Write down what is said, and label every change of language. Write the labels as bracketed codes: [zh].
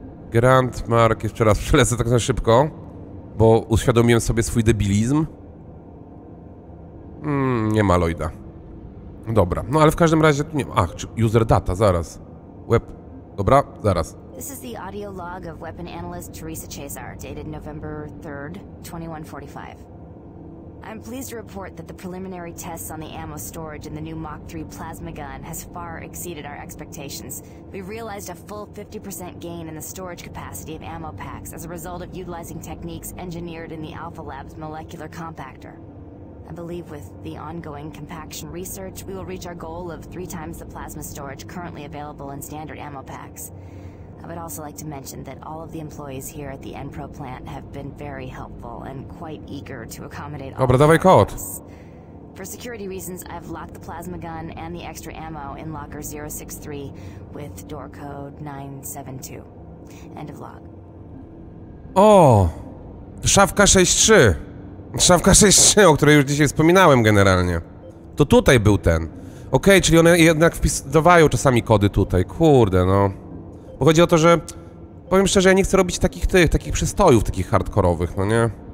[pl] Grant, Mark, jeszcze raz przelecę tak na szybko, bo uświadomiłem sobie swój debilizm. Nie ma Lloyda. Dobra, no ale w każdym razie tu nie ma. Ach, user data, zaraz. Web, dobra, zaraz. [en] This is the audio log of weapon analyst Teresa Chazar, dated November 3rd, 2145. I'm pleased to report that the preliminary tests on the ammo storage in the new Mach 3 plasma gun has far exceeded our expectations. We realized a full 50% gain in the storage capacity of ammo packs as a result of utilizing techniques engineered in the Alpha Lab's molecular compactor. I believe with the ongoing compaction research, we will reach our goal of 3 times the plasma storage currently available in standard ammo packs. I would also like to mention that all of the employees here at the Enpro plant have been very helpful and quite eager to accommodate all of us. For security reasons, I've locked the plasma gun and the extra ammo in locker 063 with door code 972. End of log. [pl] Oh, szafka 63. Szafka 63, o której już dzisiaj wspominałem generalnie. To tutaj był ten. Okej, czyli one jednak wpisywają czasami kody tutaj. Kurde, no. Bo chodzi o to, że... Powiem szczerze, ja nie chcę robić takich tych, takich przystojów takich hardkorowych, no nie?